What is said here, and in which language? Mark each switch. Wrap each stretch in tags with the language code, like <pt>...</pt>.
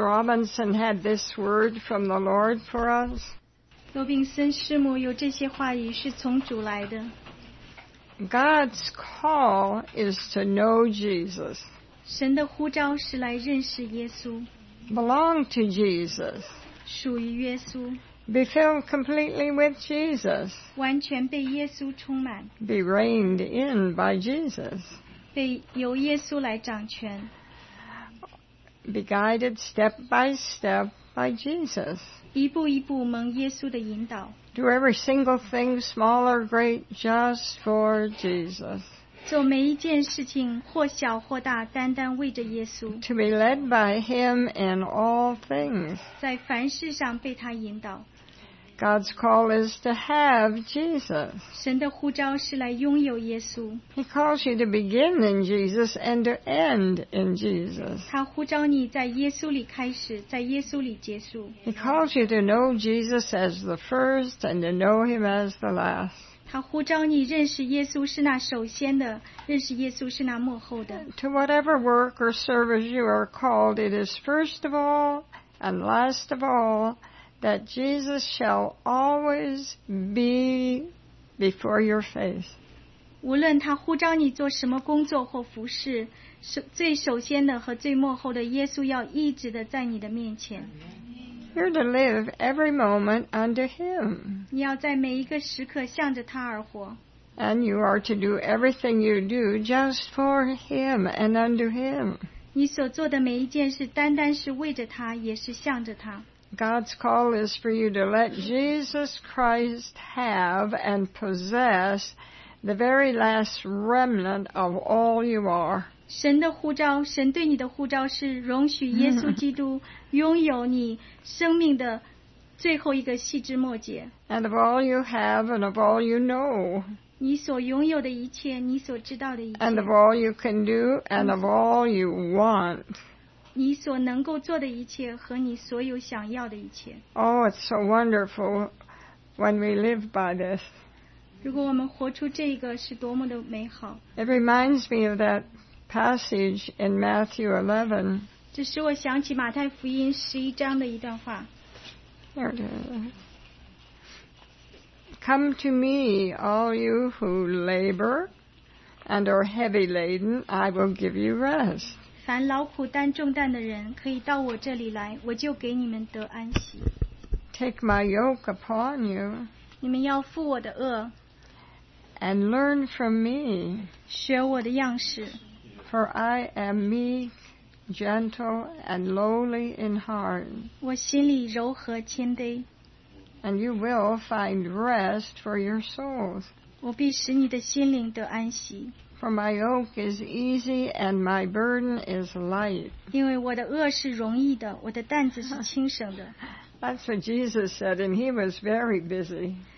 <en>Robinson had this word from the Lord for us.</en> <zh>罗宾森师母有这些话语是从主来的。</zh> <en>God's call is to know Jesus.</en> <zh>神的呼召是来认识耶稣。</zh> <en>Belong to Jesus.</en> <zh>属于耶稣。</zh> <en>Be filled completely with Jesus.</en> <zh>完全被耶稣充满。</zh> <en>Be reigned in by Jesus.</en> <zh>被由耶稣来掌权。</zh> <en>Be guided step by step by Jesus.</en> <zh>一步一步蒙耶稣的引导。</zh> <en>Do every single thing, small or great, just for Jesus.</en> <zh>做每一件事情或小或大，单单为着耶稣。</zh> <en>To be led by Him in all things.</en> <zh>在凡事上被他引导。</zh> <en>God's call is to have Jesus.</en> <zh>神的呼召是来拥有耶稣。</zh> <en>He calls you to begin in Jesus and to end in Jesus.</en> <zh>他呼召你在耶稣里开始，在耶稣里结束。</zh> <en>He calls you to know Jesus as the first and to know Him as the last.</en> <zh>他呼召你认识耶稣是那首先的，认识耶稣是那末后的。</zh> <en>To whatever work or service you are called, it is first of all and last of all. That Jesus shall always be before your face.</en> <zh>无论他呼召你做什么工作或服事，最首先的和最末后的，耶稣要一直的在你的面前。</zh> <en>You're to live every moment unto Him.</en> <zh>你要在每一个时刻向着他而活。</zh> <en>And you are to do everything you do just for Him and unto Him.</en> <zh>你所做的每一件事，单单是为着他，也是向着他。</zh> <en>God's call is for you to let Jesus Christ have and possess the very last remnant of all you are.</en> <zh>神的呼召，神对你的呼召是容许耶稣基督拥有你生命的最后一个细枝末节。</zh> <en>And of all you have and of all you know.</en> <zh>你所拥有的一切，你所知道的一切。</zh> <en>And of all you can do and of all you want.</en> <zh>你所能够做的一切和你所有想要的一切。</zh> <en>Oh, it's so wonderful when we live by this.</en> <zh>如果我们活出这个是多么的美好。</zh> <en>It reminds me of that passage in Matthew 11.</en> <zh>这使我想起马太福音十一章的一段话。</zh> <en>Come to me, all you who labor and are heavy laden, I will give you rest.</en> <zh>凡劳苦担重担的人可以到我这里来，我就给你们得安息。</zh> <en>Take my yoke upon you.</en> <zh>你们要负我的轭。</zh> <en>And learn from me.</en> <zh>学我的样式。</zh> <en>For I am meek, gentle, and lowly in heart.</en> <zh>我心里柔和谦卑。</zh> <en>And you will find rest for your souls.</en> <zh>我必使你的心灵得安息。</zh> <en>For my yoke is easy and my burden is light.</en> <zh>因为我的轭是容易的，我的担子是轻省的。</zh> <en>That's what Jesus said, and he was very busy.</en>